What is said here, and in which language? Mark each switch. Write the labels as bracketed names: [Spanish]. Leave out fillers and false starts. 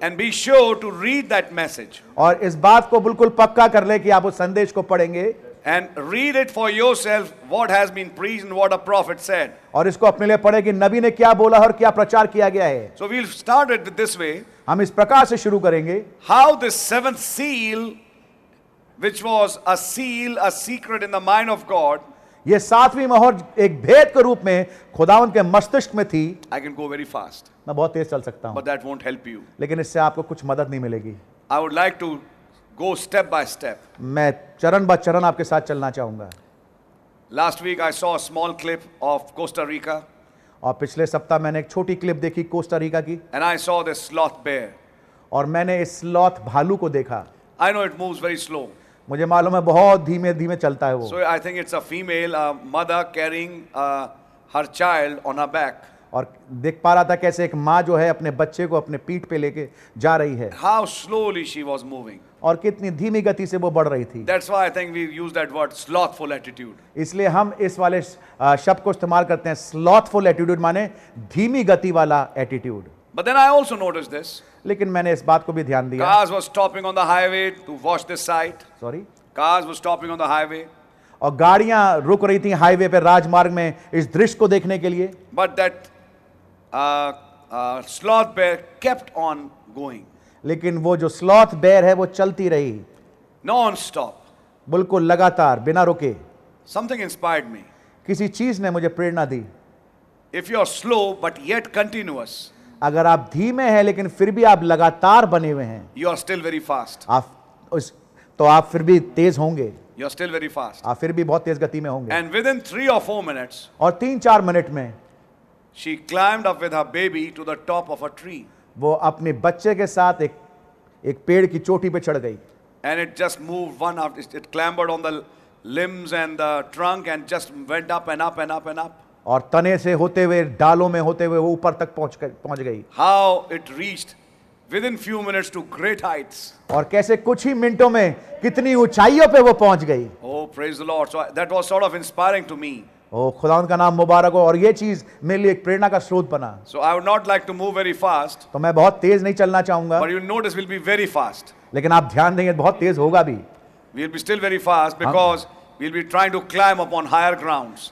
[English] And be sure to read that message. [Hindi] और इस बात को बिल्कुल पक्का कर लें कि आप उस संदेश को पढ़ेंगे. [English] And read it for yourself what has been preached and what a prophet said. [Hindi] और इसको अपने लिए पढ़ें कि नबी ने क्या बोला और क्या प्रचार किया गया है. [English] So we will start it this way. [Hindi] हम इस प्रकार से शुरू करेंगे. [English] How this seventh seal which was a seal, a secret in the mind of God. [Hindi] ये सातवीं मोहर एक भेद के रूप में खुदावन के मस्तिष्क में थी. [English] I can go very fast. [Hindi] मैं बहुत तेज चल सकता हूँ. [English] But that won't help you. [Hindi] लेकिन इससे आपको कुछ मदद नहीं मिलेगी. [English] I would like to go step by step. [Hindi] मैं चरण बाय चरण आपके साथ चलना चाहूँगा. [English] Last week I saw a small clip of Costa Rica. [Hindi] और पिछले सप्ताह मैंने एक छोटी क्लिप देखी कोस्टा रिका की. [English] And I saw this sloth bear. [Hindi] और मैंने इस स्लॉथ भालू को देखा. [English] I know it moves very slow. [Hindi] मुझे मालूम है बहुत धीमे धीमे चलता है वो. [English] So I think it's a female mother carrying her child on her back. [Hindi] और देख पा रहा था कैसे एक माँ जो है अपने बच्चे को अपने पीठ पे लेके जा रही है. [English] How slowly she was moving. [Hindi] और कितनी धीमी गति से वो बढ़ रही थी. [English] That's why I think we use that word slothful attitude. [Hindi] इसलिए हम इस वाले शब्द को इस्तेमाल करते हैं. slothful attitude माने धीमी गति वाला attitude. [English] But then I also noticed this. [Hindi] लेकिन मैंने इस बात को भी ध्यान दिया. [English] Cars were stopping on the highway to watch this sight. Sorry. Cars were stopping on the highway. [Hindi] और गाड़ियां रुक रही थी हाईवे पे राजमार्ग में इस दृश्य को देखने के लिए. [English] But that sloth bear kept on going. [Hindi] लेकिन वो जो sloth bear है वो चलती रही. [English] Non-stop. [Hindi] बिल्कुल लगातार बिना रुके. [English] Something inspired me. [Hindi] किसी चीज ने मुझे प्रेरणा दी. [English] If you are slow but yet continuous. [Hindi] अगर आप धीमे हैं लेकिन फिर भी आप लगातार बने हुए हैं. [English] You are still very fast. [Hindi] आप उस तो आप फिर भी तेज होंगे. [English] You are still very fast. [Hindi] आप फिर भी बहुत तेज गति में होंगे. [English] And within 3 or 4 minutes. [Hindi] और 3-4 मिनट में. [English] She climbed up with her baby to the top of a tree. [Hindi] वो अपने बच्चे के साथ एक एक पेड़ की चोटी पे चढ़ गई. [English] And it just moved one after it climbed on the limbs and the trunk and just went up and up and up and up. [Hindi] और तने से होते हुए डालों में होते हुए वो ऊपर तक पहुंच गई. [English] How it reached within few minutes to great heights. [Hindi] और कैसे कुछ ही मिनटों में कितनी ऊंचाइयों पे वो पहुंच गई. [English] Oh praise the Lord. So that was sort of inspiring to me. [Hindi] ओह खुदावंद का नाम मुबारक हो. और ये चीज मेरे लिए एक प्रेरणा का स्रोत बना. [English] So I would not like to move very fast. [Hindi] तो मैं बहुत तेज नहीं चलना चाहूंगा. [English] But you notice will be very fast. [Hindi] लेकिन आप ध्यान देंगे बहुत तेज होगा भी. [English] We will be still very fast because We'll be trying to climb upon higher grounds.